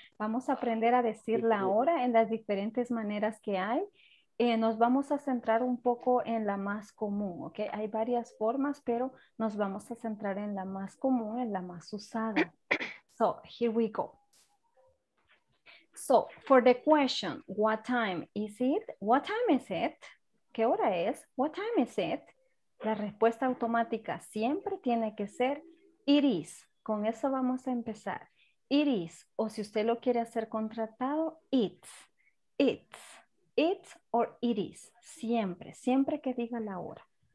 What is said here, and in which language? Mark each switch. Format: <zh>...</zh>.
<es>Vamos a aprender a decir la hora en las diferentes maneras que hay. Nos vamos a centrar un poco en la más común, ¿ok? Hay varias formas, pero nos vamos a centrar en la más común, en la más usada.</es> <en>So, here we go. So, for the question, what time is it? What time is it?</en> <es>¿Qué hora es?</es> <en>What time is it?</en> <es>La respuesta automática siempre tiene que ser it is. Con eso vamos a empezar. It is, o si usted lo quiere hacer contratado, it's. It's.</es> <en>It or it is.</en> <es>Siempre, siempre que diga la hora.</es>